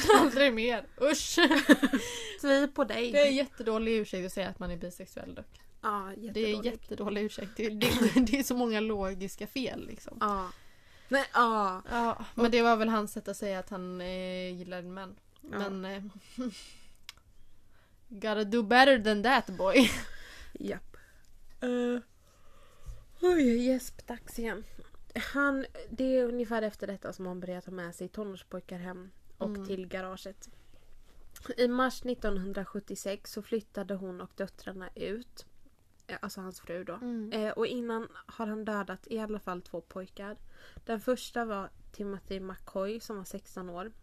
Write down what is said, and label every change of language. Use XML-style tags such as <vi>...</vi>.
<sv>Aldrig mer, usch. Tvi på dig. Det är jättedålig ursäkt att säga att man är bisexuell dock. Ja, det är jättedålig ursäkt. Det är så många logiska fel liksom. Ja. Nej, ja. Men det var väl hans sätt att säga att han gillar en man. Men</sv> <en>gotta do better than that, boy.</en> <sv>Japp. Oj, jäsp, dags igen. Han, det är ungefär efter detta som han började ta med sig tonårspojkar hem och till garaget. I mars 1976 så flyttade hon och döttrarna ut. Alltså hans fru då. Och innan har han dödat i alla fall två pojkar. Den första var Timothy McCoy som var 16 år.</sv>